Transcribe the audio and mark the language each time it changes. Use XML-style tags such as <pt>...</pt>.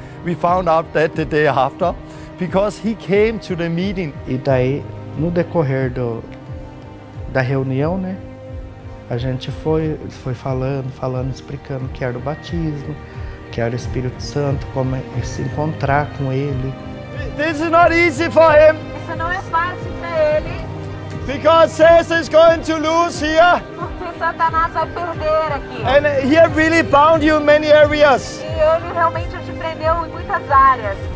<en>We found out that the day after, because he came to the meeting.</en> <pt>E daí, no decorrer da reunião, né, a gente foi falando, explicando que era o batismo, que era o Espírito Santo, como se encontrar com ele.</pt> <en>This is not easy for him.</en> <pt>Isso não é fácil para ele.</pt> <en>Because Satan is going to lose here.</en> <pt>Porque Satanás vai perder aqui.</pt> <en>And he has really bound you in many areas.</en> <pt>E ele realmente te prendeu em muitas áreas.</pt>